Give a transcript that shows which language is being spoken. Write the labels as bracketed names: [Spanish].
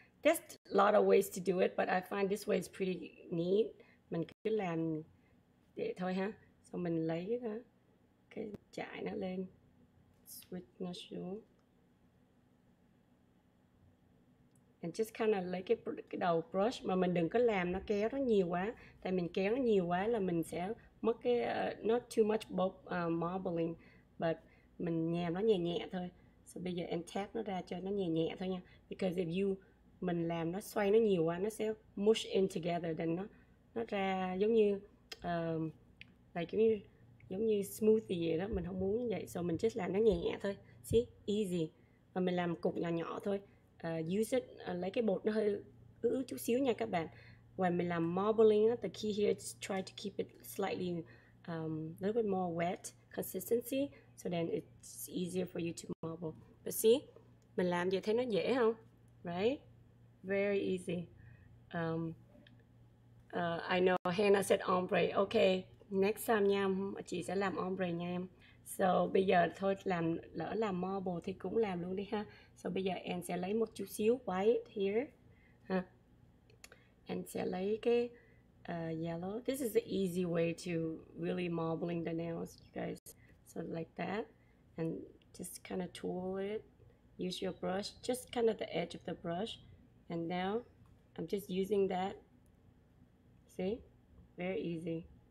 [English] There's a lot of ways to do it, but I find this way is pretty neat. [Vietnamese] Mình cứ làm để thôi ha. So mình lấy cái chải nó lên. Switch nó xuống. [English] And just kind of [Vietnamese] lấy cái đầu brush, mà mình đừng có làm nó kéo nó nhiều quá, tại mình kéo nó nhiều quá là mình sẽ mất cái [English] not too much marbling, [Vietnamese] but mình nhèm nó nhẹ nhẹ thôi. So bây giờ em tap nó ra cho nó nhẹ nhẹ thôi nha, [English] because if you [Vietnamese] mình làm nó xoay nó nhiều quá, nó sẽ [English] mush in together, [Vietnamese] then nó ra giống như like giống như smoothie vậy đó. Mình không muốn như vậy, so mình just làm nó nhẹ nhẹ thôi. [English] See, easy. [Vietnamese] Và mình làm cục nhỏ nhỏ thôi. [English] Use it, [Vietnamese] lấy cái bột nó hơi ứ chút xíu nha các bạn. [English] When [Vietnamese] mình làm [English] marbling, the key here is try to keep it slightly a little bit more wet consistency, so then it's easier for you to marble. But see, [Vietnamese] mình làm vậy thấy nó dễ không? [English] Right? Very easy. I know Hannah said ombre. Okay, next time [Vietnamese] nha, chị sẽ làm ombre nha em. So bây giờ thôi, làm lỡ làm marble thì cũng làm luôn đi ha. So bây giờ em sẽ lấy một chút xíu [English] white here [Vietnamese] ha. Em sẽ lấy cái yellow. [English] This is the easy way to really marbling the nails, you guys. So like that, and just kind of tool it. Use your brush, just kind of the edge of the brush. And now I'm just using that. See? Very easy.